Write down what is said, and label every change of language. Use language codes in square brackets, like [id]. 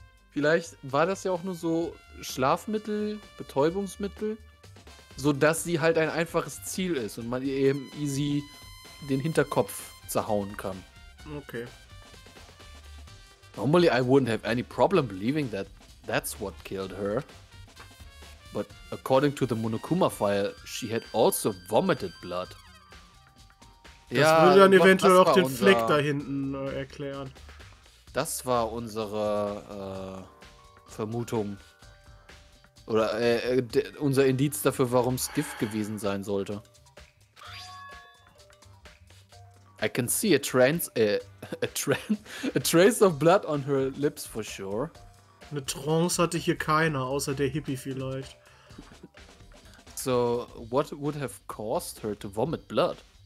[de] Vielleicht war das ja auch nur so Schlafmittel, Betäubungsmittel, so dass sie halt ein einfaches Ziel ist und man ihr eben easy den Hinterkopf zerhauen kann. Okay. [en] Normally I wouldn't have any problem believing that that's what killed her. But according to the Monokuma file, she had also vomited blood. [de] Das ja, würde dann eventuell auch den Fleck da hinten erklären. Das war unsere Vermutung. Oder unser Indiz dafür, warum es Gift gewesen sein sollte. [en] I can see a trace of blood on her lips for sure. [de] Eine Trance hatte hier keiner, außer der Hippie vielleicht. [en] So, what would have caused her to vomit blood?